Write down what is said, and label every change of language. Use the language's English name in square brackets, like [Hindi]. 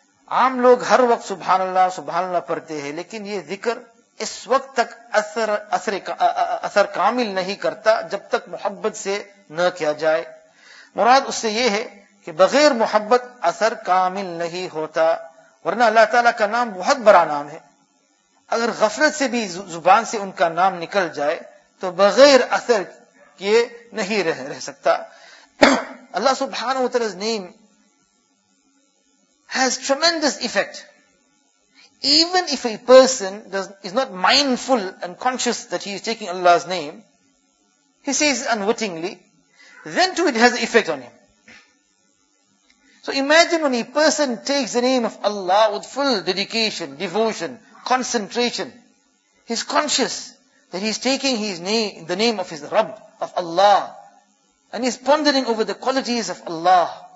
[Urdu] عام لوگ ہر وقت سبحان اللہ پڑھتے ہیں، لیکن یہ ذکر اس وقت تک اثر کامل نہیں کرتا جب تک محبت سے نہ کیا جائے. مراد اس سے یہ ہے کہ بغیر محبت اثر کامل نہیں ہوتا، ورنہ اللہ تعالیٰ کا نام بہت بڑا نام ہے. اگر غفلت سے بھی زبان سے ان کا نام نکل جائے تو بغیر اثر کیے نہیں رہ سکتا. [English] اللہ سبحانہ و تعالیٰ name has tremendous effect. Even if a person is not mindful and conscious that he is taking Allah's name, he says unwittingly, then too it has effect on him. So imagine when a person takes the name of Allah with full dedication, devotion, concentration, he's conscious that he's taking his name, the name of his Rabb, of Allah, and he's pondering over the qualities of Allah.